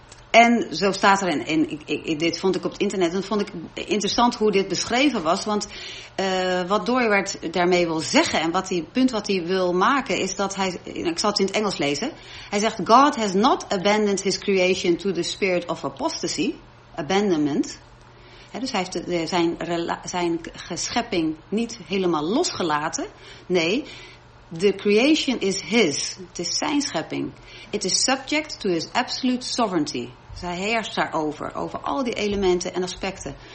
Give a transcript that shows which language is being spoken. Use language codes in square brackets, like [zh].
[nl] En zo staat er, dit vond ik op het internet, en dat vond ik interessant hoe dit beschreven was. Want wat Doiwert daarmee wil zeggen en wat hij wil maken is dat hij, ik zal het in het Engels lezen. Hij zegt, [en] God has not abandoned his creation to the spirit of apostasy, abandonment. [nl] He, dus hij heeft zijn geschepping niet helemaal losgelaten. Nee, [en] the creation is his, [nl] het is zijn schepping. [en] It is subject to his absolute sovereignty. [nl] Dus hij heerst daarover, over al die elementen en aspecten.